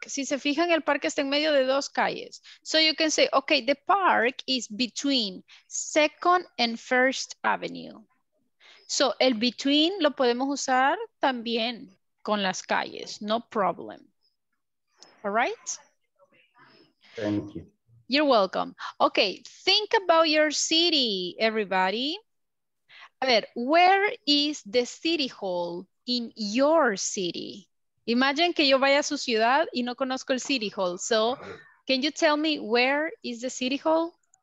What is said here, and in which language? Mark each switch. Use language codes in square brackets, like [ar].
[es] Si se fijan, el parque está en medio de dos calles. [en] So you can say, okay, the park is between Second and First Avenue. [es] So el between lo podemos usar también con las calles, no problem. [en] All right? Thank you. You're welcome. Okay, think about your city, everybody. A ver, where is the city hall? in your city? [es] Imagine que yo vaya a su ciudad y no conozco el City Hall. [en] So, can you tell me where is the City Hall?